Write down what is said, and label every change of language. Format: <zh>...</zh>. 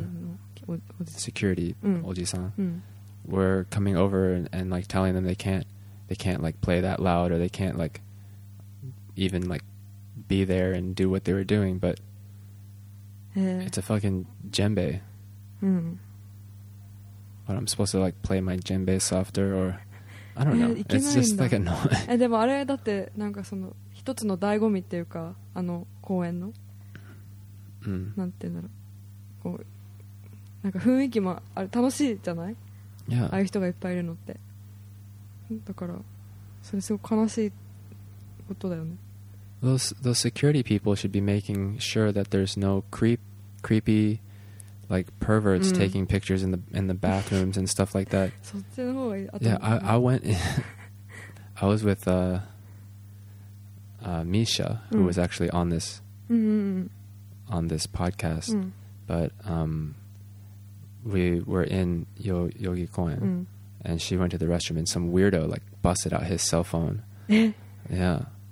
<en>の security, oji-san, were coming over and like telling them they can't like play that loud, or they can't like even like be there and do what they were doing, but... It's a fucking djembe. But I'm supposed to like play my djembe softer, or I don't know. It's just like annoying.</en> <ja>でもあれだってなんかその一つの醍醐味っていうか、あの公園の、なんていうんだろう、こうなんか雰囲気もあれ楽しいじゃない、</ja> <en>yeah.</en> <ja>ああいう人がいっぱいいるのって、だからそれすごく悲しいことだよね。</ja> <en>Those security people should be making sure that there's no creepy like perverts taking pictures in the bathrooms and stuff like that.</en> <ja>そっちの方がいい。</ja> <en>Yeah, I went I was with Misha, who was actually on this on this podcast, but we were in Yoyogi Koen, and she went to the restroom and some weirdo like busted out his cell phone. Yeah.</en>